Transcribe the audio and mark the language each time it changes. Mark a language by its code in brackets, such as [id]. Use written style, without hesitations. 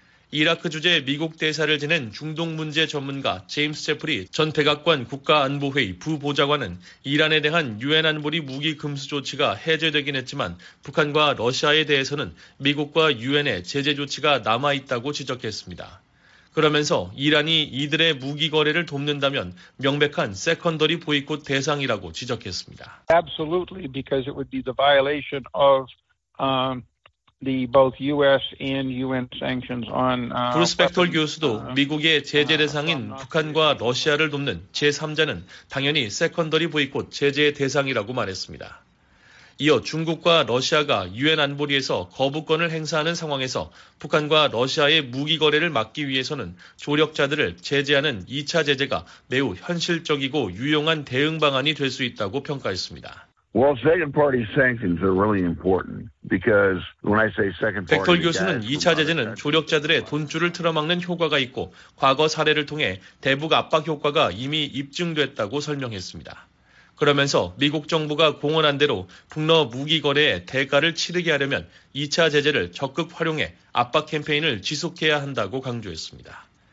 [ko] 이라크 주재 미국 대사를 지낸 중동 문제 전문가 제임스 제프리 전 백악관 국가안보회의 부보좌관은 이란에 대한 유엔 안보리 무기 금수 조치가 해제되긴 했지만 북한과 러시아에 대해서는 미국과 유엔의 제재 조치가 남아있다고 지적했습니다. 그러면서 이란이 이들의 무기 거래를 돕는다면 명백한 세컨더리 보이콧 대상이라고 지적했습니다. [en] Absolutely, because it would be the violation of the both U.S. and U.N. sanctions on. [ko] 브루스펙톨 교수도 미국의 제재 대상인 북한과 러시아를 돕는 제3자는 당연히 세컨더리 보이콧 제재의 대상이라고 말했습니다. 이어 중국과 러시아가 유엔 안보리에서 거부권을 행사하는 상황에서 북한과 러시아의 무기 거래를 막기 위해서는 조력자들을 제재하는 2차 제재가 매우 현실적이고 유용한 대응 방안이 될 수 있다고 평가했습니다. [en] Well, second party sanctions are really important because when I say second party, [ko] 백톨 교수는 2차 제재는 조력자들의 돈줄을 틀어막는 효과가 있고 과거 사례를 통해 대북 압박 효과가 이미 입증됐다고 설명했습니다. 그러면서 미국 정부가 공언한 대로 북러 무기 거래에 대가를 치르게 하려면 2차 제재를 적극 활용해 압박 캠페인을 지속해야 한다고 강조했습니다.